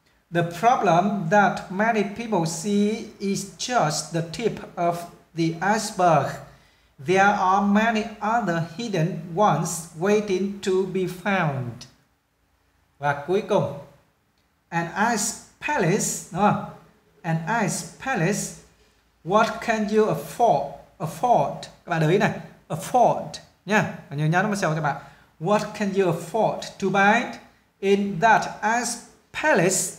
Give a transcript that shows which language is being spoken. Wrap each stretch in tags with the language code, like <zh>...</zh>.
<en>The problem that many people see is just the tip of the iceberg. There are many other hidden ones waiting to be found.</en> <vi>Và cuối cùng,</vi> <en>an ice palace,</en> <vi>đúng không?</vi> <en>An ice palace. What can you afford?</en> <vi>Các bạn để ý này, afford nha. Và nhớ nhắn nó sẽ cho bạn.</vi> <en>What can you afford to buy in that ice palace?</en>